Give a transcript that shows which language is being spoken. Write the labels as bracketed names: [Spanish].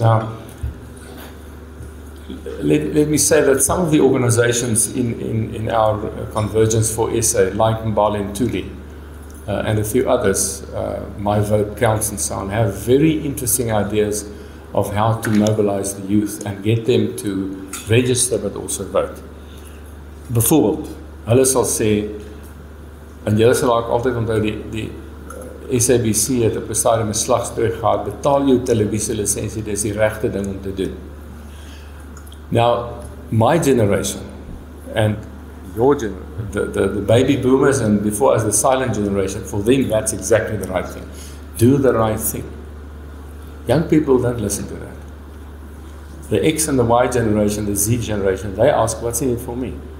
[English] Now, let me say that some of the organizations in our convergence for SA, like Mbali and Tuli, and a few others, my vote counts and so on, have very interesting ideas of how to mobilize the youth and get them to register but also vote. [Afrikaans] Byvoorbeeld, hulle sal sê, en julle sal ook altyd onthou die SABC het op 'n stadium 'n slagspreuk gehad, betaal jou televisielisensie, dis die regte ding om te doen. [English] Now, my generation and your generation, the baby boomers and before us the silent generation, for them that's exactly the right thing. Do the right thing. Young people don't listen to that. The X and the Y generation, the Z generation, they ask, what's in it for me?